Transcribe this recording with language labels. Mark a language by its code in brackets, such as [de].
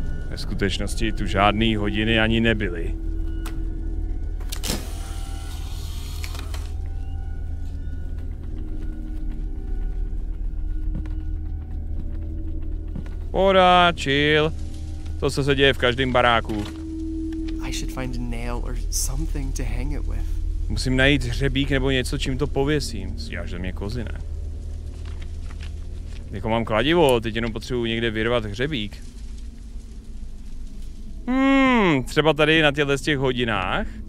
[cs] Ve skutečnosti tu žádný hodiny ani nebyly. Poda, chill. To co se děje v každém baráku. [en] I should find a nail or something to hang it with. [cs] Musím najít hřebík nebo něco, čím to pověsím. Zděláš ze mě kozy, ne? Jako mám kladivo, teď jenom potřebuji někde vyrvat hřebík. Třeba tady na těchto z těch hodinách.